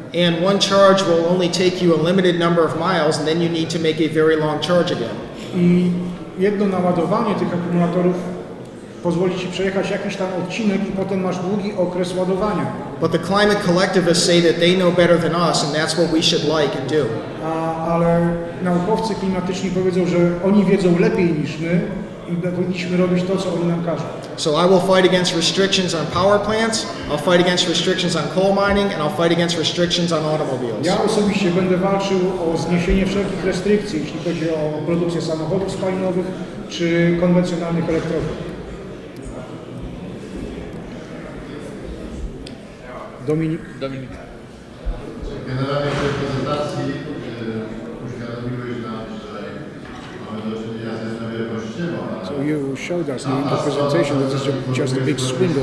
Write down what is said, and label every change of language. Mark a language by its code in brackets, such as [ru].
[en] And one charge will only take you a limited number of miles and then you need to make a very long charge again. [pl] I jedno naładowanie tych akumulatorów pozwoli ci przejechać jakiś tam odcinek i potem masz długi okres ładowania. [en] But the climate collectivists say that they know better than us and that's what we should like and do. [pl] Ale naukowcy klimatyczni powiedzą, że oni wiedzą lepiej niż my i powinniśmy robić to, co oni nam każą. [en] So I will fight against restrictions on power plants, I'll fight against restrictions on coal mining, and I'll fight against restrictions on automobiles. [pl] Ja osobiście będę walczył o zniesienie wszelkich restrykcji, jeśli chodzi o produkcję samochodów spalinowych czy konwencjonalnych elektrowni. Dominik. Generalnie w tej prezentacji uświadomiłeś nam, że mamy do czynienia ze znowiem kościelą. [en] So you showed us in the presentation that this is just a big swindle.